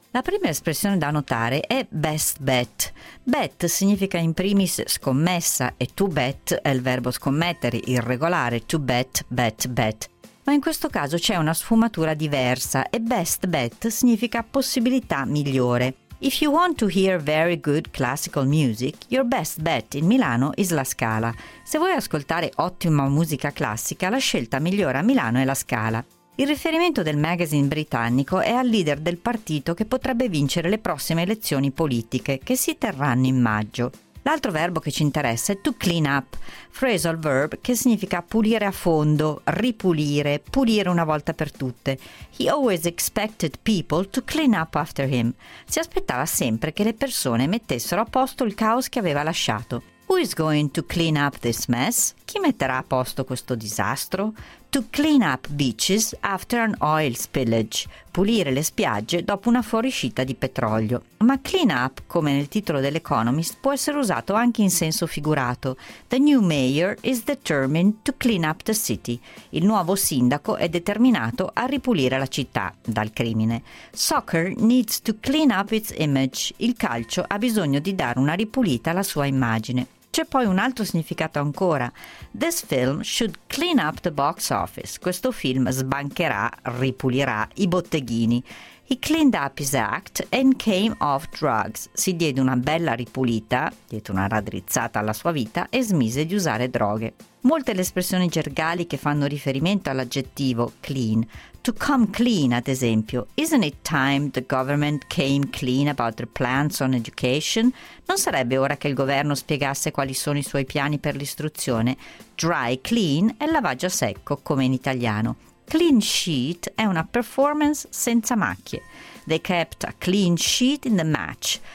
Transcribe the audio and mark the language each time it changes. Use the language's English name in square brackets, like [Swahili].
[Italian] La prima espressione da notare è best bet. Bet significa in primis scommessa e to bet è il verbo scommettere, irregolare, to bet. Ma in questo caso c'è una sfumatura diversa e best bet significa possibilità migliore. [English] If you want to hear very good classical music, your best bet in Milano is La Scala. [Italian] Se vuoi ascoltare ottima musica classica, la scelta migliore a Milano è La Scala. Il riferimento del magazine britannico è al leader del partito che potrebbe vincere le prossime elezioni politiche, che si terranno in maggio. L'altro verbo che ci interessa è to clean up, phrasal verb che significa pulire a fondo, ripulire, pulire una volta per tutte. [English] He always expected people to clean up after him. [Italian] Si aspettava sempre che le persone mettessero a posto il caos che aveva lasciato. [English] Who is going to clean up this mess? [Italian] Chi metterà a posto questo disastro? [English] To clean up beaches after an oil spillage. Pulire le spiagge dopo una fuoriuscita di petrolio. [Italian] Ma clean up, come nel titolo dell'Economist, può essere usato anche in senso figurato. [English] The new mayor is determined to clean up the city. [Italian] Il nuovo sindaco è determinato a ripulire la città dal crimine. [English] Soccer needs to clean up its image. [Italian] Il calcio ha bisogno di dare una ripulita alla sua immagine. C'è poi un altro significato ancora. [English] This film should clean up the box office. [Italian] Questo film sbancherà, ripulirà i botteghini. [English] He cleaned up his act and came off drugs. [Italian] Si diede una bella ripulita, diede una raddrizzata alla sua vita e smise di usare droghe. Molte le espressioni gergali che fanno riferimento all'aggettivo clean. To come clean, ad esempio. [English] Isn't it time the government came clean about their plans on education? [Italian] Non sarebbe ora che il governo spiegasse quali sono i suoi piani per l'istruzione? Dry clean è lavaggio a secco, come in italiano. Clean sheet è una performance senza macchie. [English] They kept a clean sheet in the match.